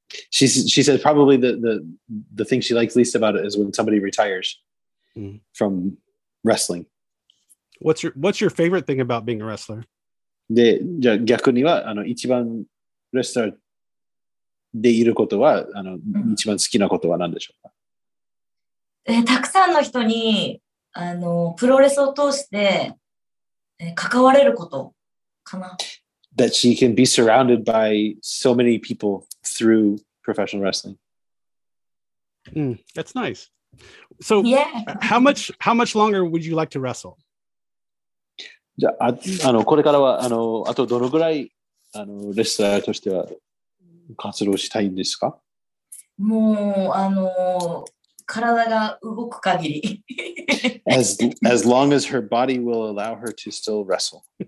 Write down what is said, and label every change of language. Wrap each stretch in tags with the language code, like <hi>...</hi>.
<en>She said probably the thing she likes least about it is when somebody retires from wrestling. What's your favorite thing about being a wrestler?</en> <ja>で、じゃあ逆には、一番レスラーでいることは、一番好きなことは何でしょうか? たくさんの人にあのプロレスを通して、関われることかな。</ja> <en>That she can be surrounded by so many people through professional wrestling. Mm, that's nice. So, yeah. how much longer would you like to wrestle?</en> <ja>じゃあ、あの、これからは、あの、あとどのぐらい、あの、レスラーとしては活動したいんですか？もう、あの、体が動く限り。</ja> <en>as long as her body will allow her to still wrestle.</en>